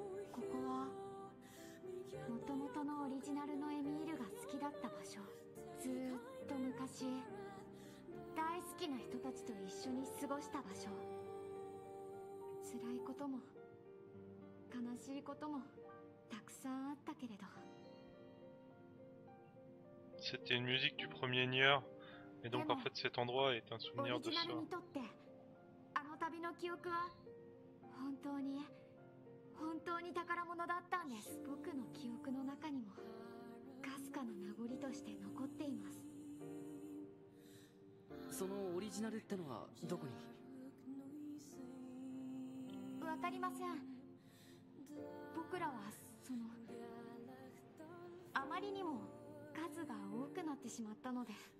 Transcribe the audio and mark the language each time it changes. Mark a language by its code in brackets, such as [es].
[ja] ここはもともとのオリジナルのエミールが好きだった場所。ずっと昔大好きな人たちと一緒に過ごした場所。辛いことも悲しいこともたくさんあったけれど。 [fr] C'était une musique du premier Nier. Et donc, en fait, cet endroit est un souvenir de ça. [ja] あの旅の記憶は本当に宝物だったんです。僕の記憶の中にもかすかな名残として残っています。そのオリジナルってのはどこに？わかりません。僕らはそのあまりにも数が多くなってしまったので。